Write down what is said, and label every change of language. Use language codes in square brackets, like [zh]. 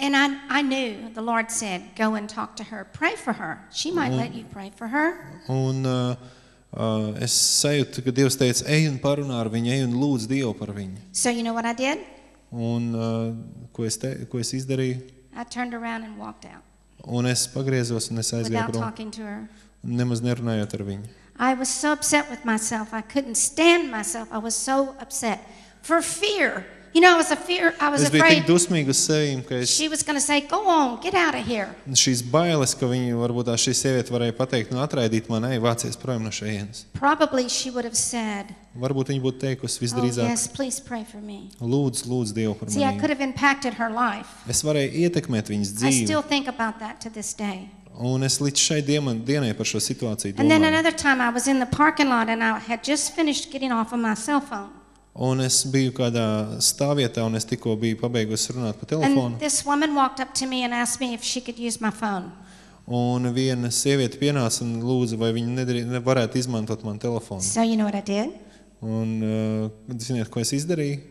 [en] And I knew the Lord said, go and talk to her, pray for her. She might let you pray for her. [lv] Un es sajūtu, ka Dievs teica, ej un parunā ar viņu, ej un lūdz Dievu par viņu. [en] So you know what I did? [lv] Ko es izdarīju? [en] I turned around and walked out. [lv] Un es pagriezos un es aizgāju prom. [en] Without talking to her. [lv] Nemaz nerunājot ar viņu. [en] I was so upset with myself. I couldn't stand myself. I was so upset. For fear. You know, I was afraid. [lv] Es biju tik dusmīgs uz sevi, ka es... [en] She was going to say, go on, get out of here. [lv] Šīs bailes, ka viņa, varbūt tā šī sieviete varēja pateikt, nu atraidīt mani, ej, vācies projām no šeienes. [en] Probably she would have said. [lv] Varbūt viņa būtu teikusi visdrīzāk. [en] Oh, yes, please pray for me. [lv] Lūdzu Dievu par mani. [en] See, I could have impacted her life. [lv] Es varēju ietekmēt viņas dzīvi. [en] I still think about that to this day. [lv] Un es līdz šai dienai par šo situāciju domāju. [en] And then another time I was in the parking lot and I had just finished getting off of my cell phone. [lv] Un es biju kādā stāvvietā un es tikko biju pabeigusi runāt pa telefonu. [en] And this woman walked up to me and asked me if she could use my phone. [lv] Un viena sieviete pienāca un lūdza, vai viņa nevarētu izmantot man telefonu. [en] So you know what I did? [lv] Un, ziniet, ko es izdarīju?